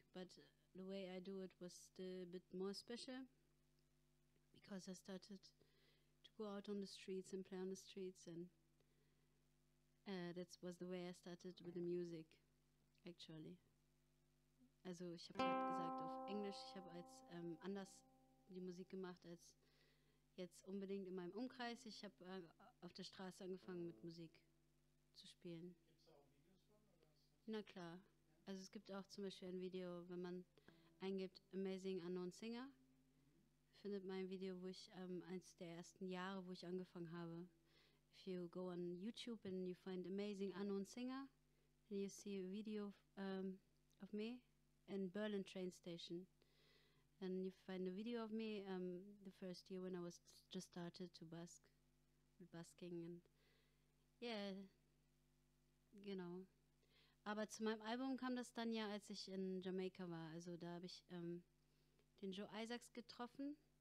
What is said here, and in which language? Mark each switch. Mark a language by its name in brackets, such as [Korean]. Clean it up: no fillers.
[English] But the way I do it was still a bit more special. Because I started to go out on the streets and play on the streets, and that was the way I started with the music, actually. [German] Also ich habe halt gesagt auf Englisch. Ich habe als anders die Musik gemacht als jetzt unbedingt in meinem Umkreis. Ich habe auf der Straße angefangen mit Musik zu spielen. Gibt's auch Videos von? Na klar. Also es gibt auch zum Beispiel ein Video, wenn man eingibt "Amazing Unknown Singer". Findet mein Video, wo ich eins der ersten Jahre, wo ich angefangen habe. [English] If you go on YouTube and you find "Amazing Unknown Singer", then you see a video of me in Berlin train station. And you find a video of me the first year when I was just started to busking and yeah, [German] genau. Aber zu meinem Album kam das dann ja, als ich in Jamaika war. Also da habe ich den Joe Isaacs getroffen.